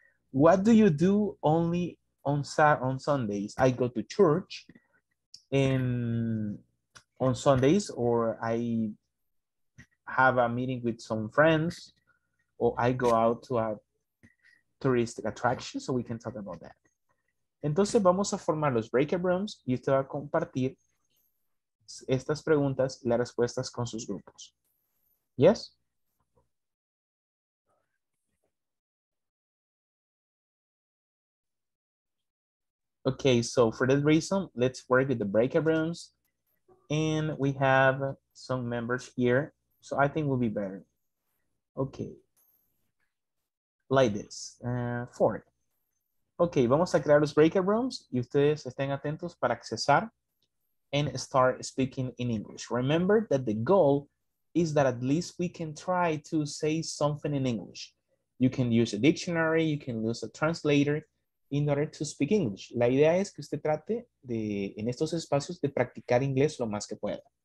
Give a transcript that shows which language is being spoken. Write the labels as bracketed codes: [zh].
[en] What do you do only on Sundays? I go to church on Sundays, or I have a meeting with some friends, or I go out to a tourist attraction, so we can talk about that. [es] Entonces vamos a formar los breakout rooms y usted va a compartir estas preguntas y las respuestas con sus grupos. Yes? [en] Okay, so for that reason, let's work with the breakout rooms. And we have some members here, so I think we'll be better. Okay. Like this. Four. [es] Okay, vamos a crear los breakout rooms y ustedes estén atentos para accesar [en] and start speaking in English. Remember that the goal is that at least we can try to say something in English. You can use a dictionary, you can use a translator in order to speak English. [es] La idea es que usted trate de, en estos espacios, de practicar inglés lo más que pueda.